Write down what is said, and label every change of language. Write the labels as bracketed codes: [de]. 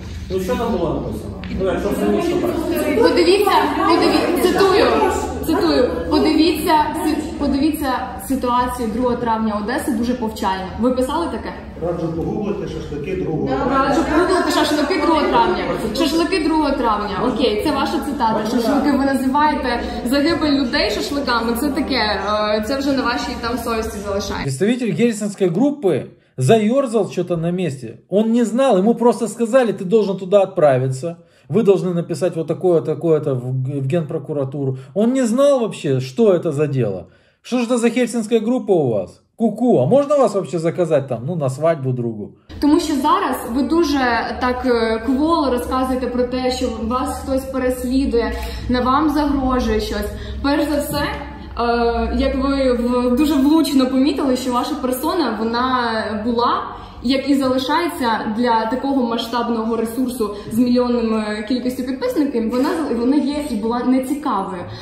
[ru] Ну, что там было написано? Ну, я что-то не считаю. [uk] Подивіться, цитую. Цитую, подивіться ситуацію 2 травня Одеси дуже повчально. Ви писали таке? Раджу погуглити шашлики 2 травня. Раджу погуглити шашлики 2 травня. Шашлики 2 травня. Окей, це ваша цитата. Шашлики ви називаєте загибель людей шашликами. Це таке, це вже на вашій там совісті залишається. Представитель гельсінської групи заерзав щось на місці. Він не знав, йому просто сказали, ти должен туди відправитися. [ru] Вы должны написать вот такое-то, такое-то в генпрокуратуру. Он не знал вообще, что это за дело. Что же это за хельсинская группа у вас? Ку-ку, а можно вас вообще заказать там, ну, на свадьбу другу? [uk] Тому що зараз ви дуже так кволо розказуєте про те, що вас хтось переслідує, на вам загрожує щось. Перш за все, як ви дуже влучно помітили, що ваша персона, вона була, як і залишається для такого масштабного ресурсу з мільйонними кількістю підписників, вона є і була нецікавою.